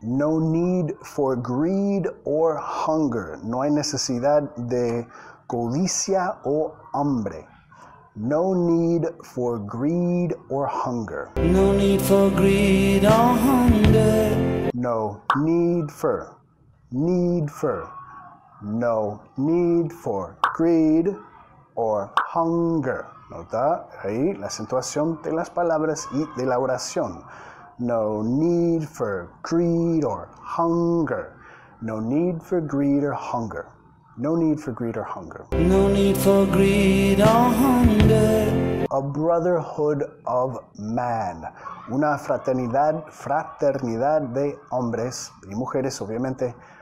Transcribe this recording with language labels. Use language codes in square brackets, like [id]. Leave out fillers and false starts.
[en] No need for greed or hunger. [es] No hay necesidad de codicia o hambre. [en] No need for greed or hunger. No need for greed or hunger. No need for. Need for. No need for greed or hunger. [es] Nota ahí la acentuación de las palabras y de la oración. [en] No need for greed or hunger. No need for greed or hunger. No need for greed or hunger. No need for greed or hunger. A brotherhood of man. [es] Una fraternidad de hombres y mujeres, obviamente.